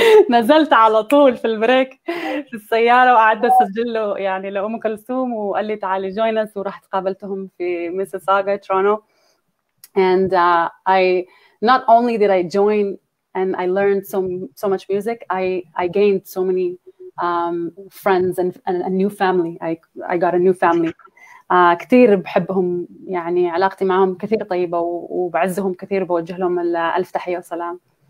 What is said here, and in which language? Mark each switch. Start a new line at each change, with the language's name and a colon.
Arabic: نزلت على طول في البريك في السيارة وقعدت أسجل له يعني لأم كلثوم، وقال لي تعالي
English: join us,
Arabic: ورحت قابلتهم في ميسيساغا ترونو.
English: And I not only did I join and I learned so much music, I gained so many friends and a new family. I got a new family.
Arabic: كثير بحبهم يعني، علاقتي معهم كثير طيبة وبعزهم كثير، بوجه لهم ألف تحية وسلام.